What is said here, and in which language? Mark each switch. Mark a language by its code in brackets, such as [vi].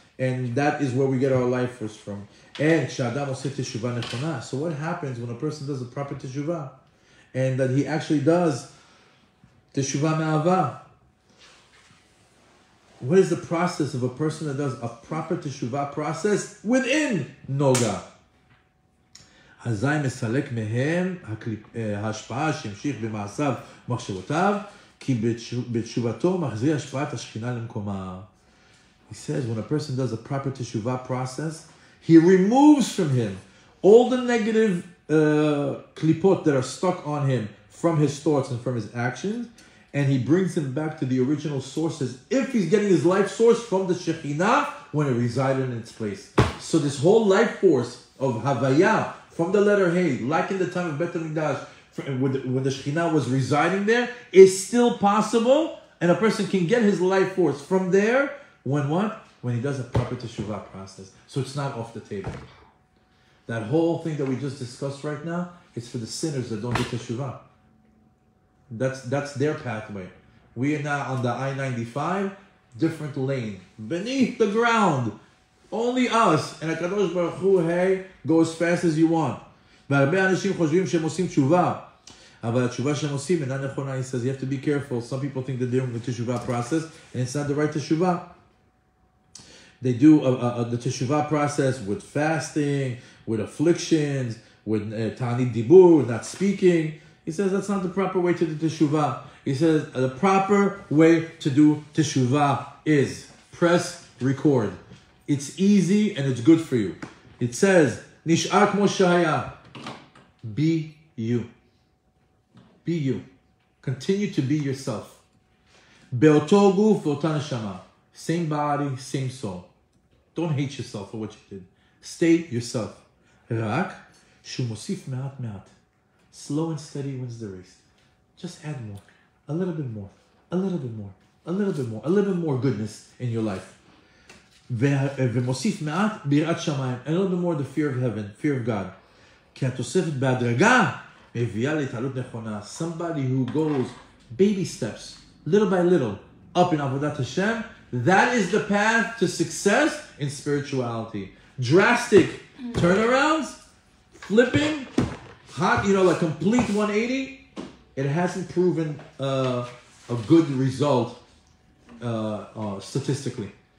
[en] And that is where we get our life force from. And [he] Shadam Oseh Teshuvah Nechona. [en] So what happens when a person does a proper Teshuvah? And that he actually does [he] Teshuvah Me'avah. [en] What is the process of a person that does a proper teshuvah process within Noga? [he] אזי מסלק מהם ההשפעה שהמשיך במעשיו מחשבותיו, כי בתשובתו מחזיר השפעת השכינה למקומה. [en] He says, when a person does a proper teshuvah process, he removes from him all the negative klipot that are stuck on him from his thoughts and from his actions, and he brings him back to the original sources, if he's getting his life source from the Shekhinah, when it resided in its place. So this whole life force of Havaya, from the letter Hey, like in the time of Beit HaMikdash, when the Shekhinah was residing there, is still possible, and a person can get his life force from there, when what? When he does a proper teshuvah process. So it's not off the table. That whole thing that we just discussed right now, it's for the sinners that don't do teshuvah. That's their pathway. We are now on the I-95, different lane, beneath the ground. Only us. And HaKadosh Baruch Hu, hey, go as fast as you want. [he] והרבה אנשים חושבים שהם עושים תשובה. אבל התשובה שהם עושים אינה נכונה. [en] He says, you have to be careful. Some people think that they're doing the teshuvah process, and it's not the right teshuvah. They do the teshuvah process with fasting, with afflictions, with tani dibur, not speaking. He says that's not the proper way to do teshuvah. He says the proper way to do teshuvah is press record. It's easy and it's good for you. It says, [he] Nish'ar kmo shehaya. [en] Be you. Be you. Continue to be yourself. [he] Be'oto guf ve'otan neshama. [en] Same body, same soul. Don't hate yourself for what you did. Stay yourself. [he] Rak shumosif me'at me'at. [en] Slow and steady wins the race. Just add more. A little bit more. A little bit more. A little bit more. A little bit more goodness in your life. [he] ומוסיף מעט ביראת שמיים. [en] A little bit more the fear of heaven, fear of God. [he] כי התוספת בהדרגה מביאה להתעלות נכונה. [en] Somebody who goes baby steps, little by little, up in עבודת השם, that is the path to success in spirituality. Drastic turnarounds, flipping, hot, you know, like complete 180, it hasn't proven a good result statistically.